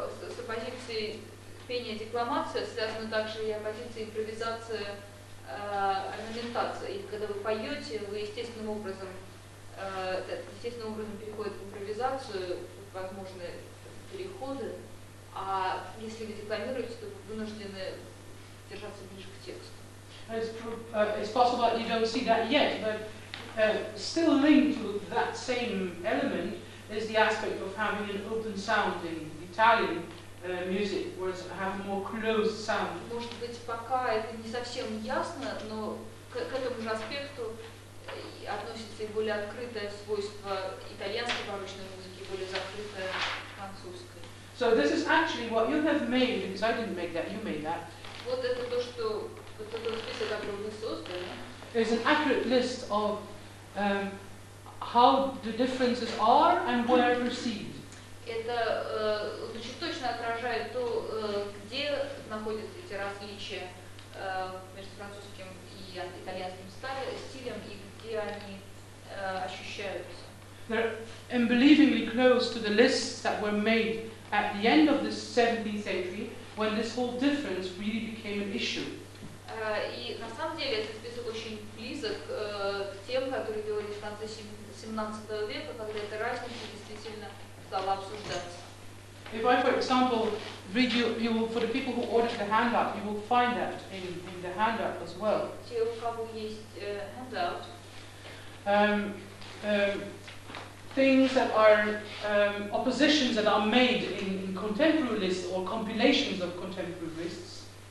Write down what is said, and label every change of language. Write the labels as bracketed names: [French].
[Russian] С оппозицией пения декламация связана также и оппозиция импровизация орнаментация. И когда вы поете, вы естественным образом переходит в импровизацию, возможны переходы, а если вы декламируете, то вы вынуждены держаться ближе к тексту. [English] It's possible that you don't see that yet, but still linked to that same element is the aspect of having an open sound in Italian music, whereas having a more closed sound. [Russian] Может быть, пока это не совсем ясно, но к этому же аспекту относится и более открытое свойство итальянской барочной музыки, более закрытое французской. [English] So this is actually what you have made, because I didn't make that, you made that. [Russian] Вот это то, что вот этот список, который вы создали. [English] It's an accurate list of how the differences are and where I perceive. [Russian] Это очень точно отражает то, где находятся эти различия между французским и итальянским стилем и где они ощущаются. [English] They're unbelievably close to the lists that were made at the end of the 17th century when this whole difference really became an issue. [Russian] И на самом деле этот список очень близок к тем, которые делались в конце 17 века, когда эта разница действительно стала обсуждаться. [English] If I, for example, read you for the people who ordered the handout, you will find that in the handout as well. [Russian] Те, у кого есть handout. [English] Things that are oppositions that are made in contemporary lists or compilations of contemporary lists.